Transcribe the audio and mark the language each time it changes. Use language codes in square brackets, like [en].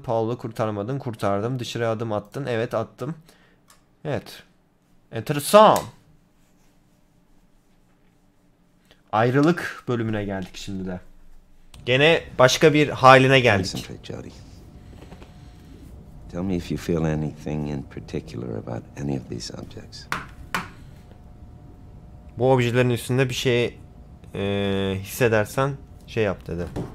[tr] Paolo kurtarmadın. Kurtardım. Dışarıya adım attın. Evet, attım. Evet. Enteresan. Ayrılık bölümüne geldik şimdi de. Gene başka bir haline geldik. [en] Tell me if you feel anything in particular about any of these objects. [tr] Bu objelerin üstünde bir şey hissedersen şey yap dedi.